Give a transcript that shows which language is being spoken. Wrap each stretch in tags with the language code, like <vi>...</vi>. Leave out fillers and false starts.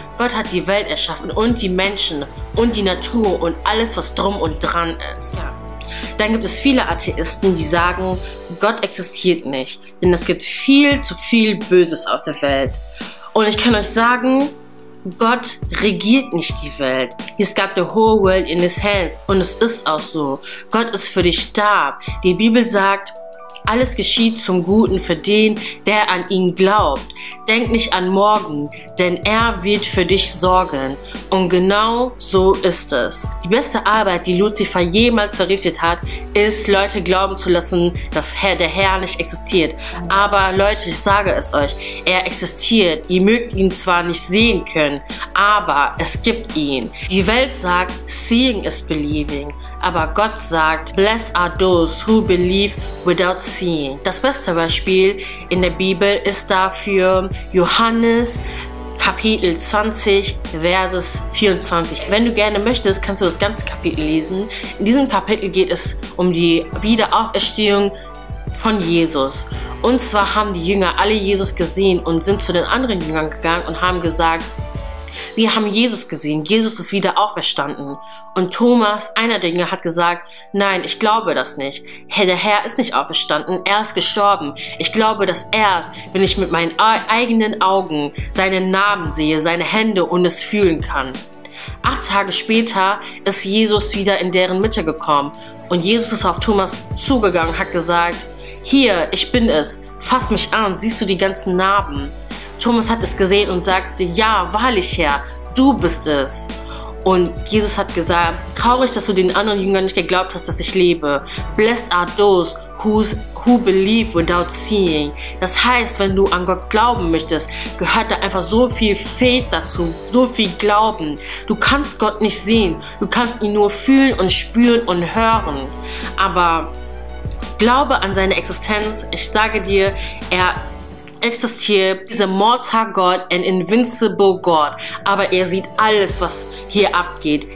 <de>Gott hat die Welt erschaffen und die Menschen und die Natur und alles, was drum und dran ist. Dann gibt es viele Atheisten, die sagen, Gott existiert nicht, denn es gibt viel zu viel Böses auf der Welt. Und ich kann euch sagen, Gott regiert nicht die Welt.</de> <en>He's got the whole world in his hands.</en> <de>Und es ist auch so. Gott ist für dich da. Die Bibel sagt, alles geschieht zum Guten für den, der an ihn glaubt. Denk nicht an morgen, denn er wird für dich sorgen. Und genau so ist es. Die beste Arbeit, die Lucifer jemals verrichtet hat, ist, Leute glauben zu lassen, dass der Herr nicht existiert. Aber Leute, ich sage es euch, er existiert. Ihr mögt ihn zwar nicht sehen können, aber es gibt ihn. Die Welt sagt,</de> <en>seeing is believing.</en> <de>Aber Gott sagt,</de> <en>blessed are those who believe without seeing.</en> <de>Das beste Beispiel in der Bibel ist dafür Johannes Kapitel 20, Verses 24. Wenn du gerne möchtest, kannst du das ganze Kapitel lesen. In diesem Kapitel geht es um die Wiederauferstehung von Jesus. Und zwar haben die Jünger alle Jesus gesehen und sind zu den anderen Jüngern gegangen und haben gesagt, wir haben Jesus gesehen, Jesus ist wieder auferstanden. Und Thomas, einer der Jünger, hat gesagt, nein, ich glaube das nicht. Der Herr ist nicht auferstanden, er ist gestorben. Ich glaube das erst, wenn ich mit meinen eigenen Augen seinen Namen sehe, seine Hände und es fühlen kann. 8 Tage später ist Jesus wieder in deren Mitte gekommen. Und Jesus ist auf Thomas zugegangen, hat gesagt, hier, ich bin es, fass mich an, siehst du die ganzen Narben? Thomas hat es gesehen und sagte, ja, wahrlich Herr, du bist es. Und Jesus hat gesagt, traurig, dass du den anderen Jüngern nicht geglaubt hast, dass ich lebe.</de> <en>Blessed are those who believe without seeing.</en> <de>Das heißt, wenn du an Gott glauben möchtest, gehört da einfach so viel Faith dazu, so viel Glauben. Du kannst Gott nicht sehen, du kannst ihn nur fühlen und spüren und hören. Aber glaube an seine Existenz, ich sage dir, er existiert dieser</de> <en>Mortal God, an Invincible God,</en> <de>aber er sieht alles, was hier abgeht.</de>